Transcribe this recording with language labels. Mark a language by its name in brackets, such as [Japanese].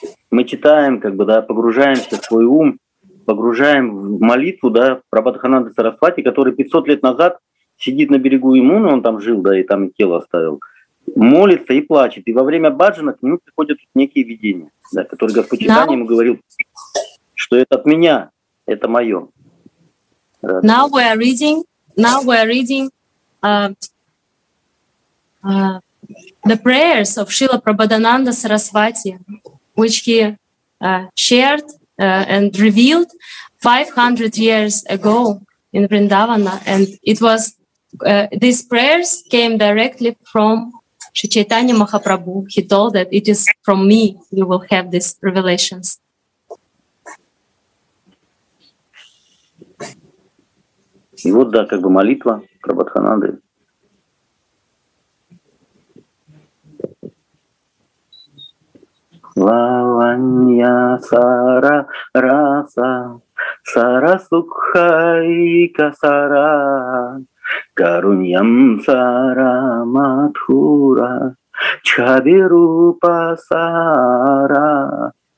[Russian] Мы читаем, как бы, да, погружаемся в свой ум, погружаем в молитву, да, Прабхатхананда Сарасвати, который 500 лет назад сидит на берегу Ямуны, он там жил, да, и там тело оставил, молится и плачет. И во время баджана к нему приходят некие видения, да, которые Господь Читания ему говорил, что это от меня, это мое. [English] Now we are reading the prayers of Srila Prabhadananda Sarasvati, which he shared and revealed 500 years ago in Vrindavana. And it was these prayers came directly from Sri Chaitanya Mahaprabhu. He told that it is from me you will have these revelations. [Russian] И вот, да, как бы молитва Прабхатхананды. [Sanskrit] Лаванья сара раса, сара сукхайка сара, карунням сара матхура, чхабирупа сара.